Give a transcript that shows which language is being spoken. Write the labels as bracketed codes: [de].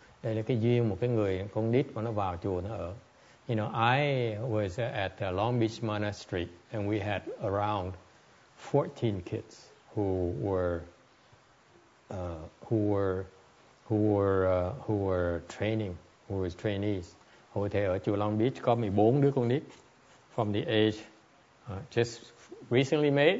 [vi] Đây là cái duyên một cái người con nít mà nó vào chùa nó ở. [en] You know, I was at Long Beach Monastery and we had around 14 kids who were trainees. [vi] Hồi thầy ở chùa Long Beach có 14 đứa con nít [en] from the age just recently made.